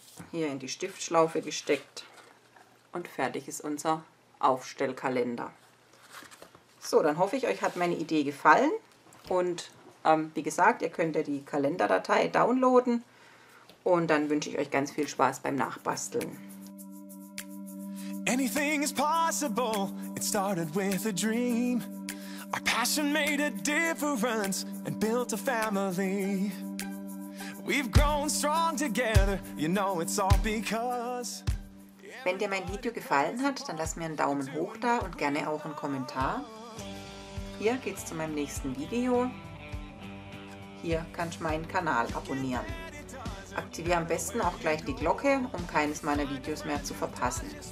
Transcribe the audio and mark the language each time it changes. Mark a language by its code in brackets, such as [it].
[de] Hier in die Stiftschlaufe gesteckt und fertig ist unser Aufstellkalender. So, dann hoffe ich, euch hat meine Idee gefallen und wie gesagt, ihr könnt ja die Kalenderdatei downloaden und dann wünsche ich euch ganz viel Spaß beim Nachbasteln. [en] Anything is possible, it started with a dream. Our passion made a difference and built a family. We've grown strong together, you know it's all because. [de] Wenn dir mein Video gefallen hat, dann lass mir einen Daumen hoch da und gerne auch einen Kommentar. Hier geht's zu meinem nächsten Video. Hier kannst du meinen Kanal abonnieren. Aktiviere am besten auch gleich die Glocke, um keines meiner Videos mehr zu verpassen.